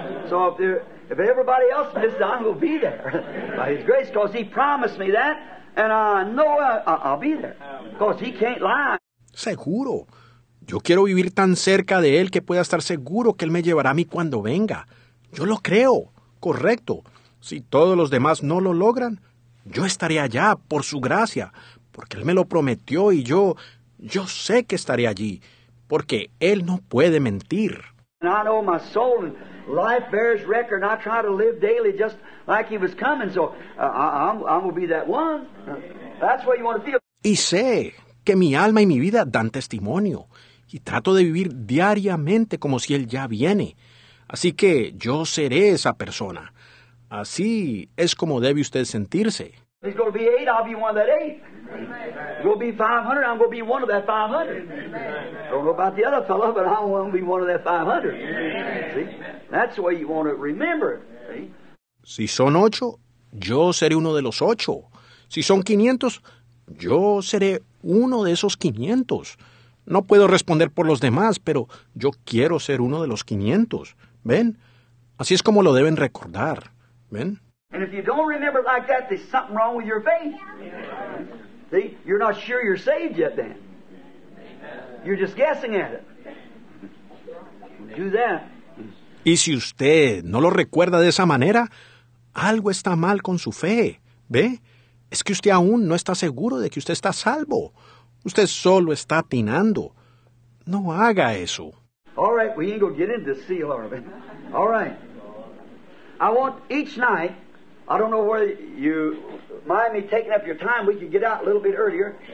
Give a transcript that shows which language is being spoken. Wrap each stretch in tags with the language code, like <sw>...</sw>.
<en>So if everybody else misses, I'm going to be there by his grace, because he promised me that, and I know I'll be there, because he can't lie.</en> <es>Seguro. Yo quiero vivir tan cerca de él que pueda estar seguro que él me llevará a mí cuando venga. Yo lo creo. Correcto. Si todos los demás no lo logran, yo estaré allá por su gracia, porque él me lo prometió y yo sé que estaré allí, porque él no puede mentir.</es> <en>And I know my soul and life bears record. I try to live daily just like he was coming, so I'm going to be that one. That's what you want to feel.</en> <es>Y sé que mi alma y mi vida dan testimonio. Y trato de vivir diariamente como si él ya viene. Así que yo seré esa persona. Así es como debe usted sentirse.</es> <en>It's going to be 8, I'll be one of that 8. It's going to be 500, I'm going to be one of that 500. Amen. Don't know about the other fellow, but I'm going to be one of that 500. Amen. See? That's the way you want to remember it.</en> <es>Si son 8, yo seré uno de los 8. Si son 500, yo seré uno de esos 500. No puedo responder por los demás, pero yo quiero ser uno de los 500. ¿Ven? Así es como lo deben recordar. ¿Ven?</es> <en>And if you don't remember like that, there's something wrong with your faith. See, you're not sure you're saved yet then. You're just guessing at it. Do that.</en> <es>Y si usted no lo recuerda de esa manera, algo está mal con su fe. ¿Ve? Es que usted aún no está seguro de que usted está salvo. Usted solo está atinando. No haga eso.</es> <en>All right, we ain't gonna get into this seal, are we? All right. I want each night, I don't know whether you mind me taking up your time, we could get out a little bit earlier.</en>